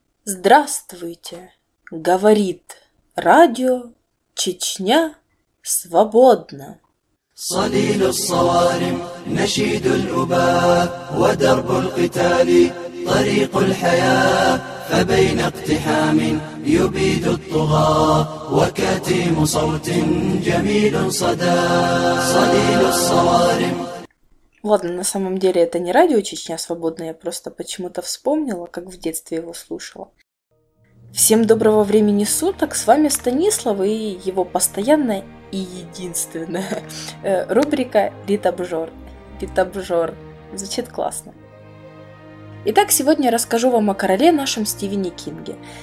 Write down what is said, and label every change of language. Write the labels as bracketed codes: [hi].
[ru] Здравствуйте, говорит радио Чечня свободно. [ar] صليل الصوارم نشيد الأباء ودرب القتال طريق الحياة فبين اقتحام يبيد الطغاة وكتيم صوت جميل صدى صليل الصوارم. [ru] Ладно, на самом деле это не радио Чечня свободно, я просто почему-то вспомнила, как в детстве его слушала. Всем доброго времени суток, с вами Станислав и его постоянная и единственная рубрика «Литобжор». «Литобжор» звучит классно. Итак, сегодня я расскажу вам о короле нашем Стивене Кинге.